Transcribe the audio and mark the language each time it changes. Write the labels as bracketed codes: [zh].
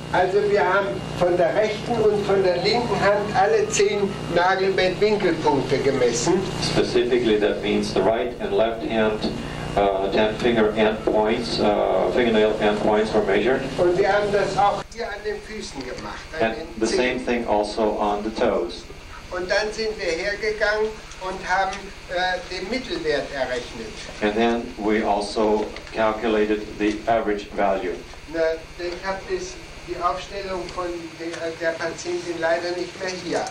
[de] Also wir haben von der rechten und von der linken Hand alle 10 Nagelbettwinkelpunkte gemessen. [en] Specifically, that means the right and left hand 10 finger end points, fingernail end points were measured. [de] Und wir haben das auch hier an den Füßen gemacht. [en] And the same thing also on the toes. [de] Und dann sind wir hergegangen und haben den Mittelwert errechnet. [en] And then we also calculated the average value. [de] Na, ich habe die Aufstellung von der Patientin leider nicht mehr hier.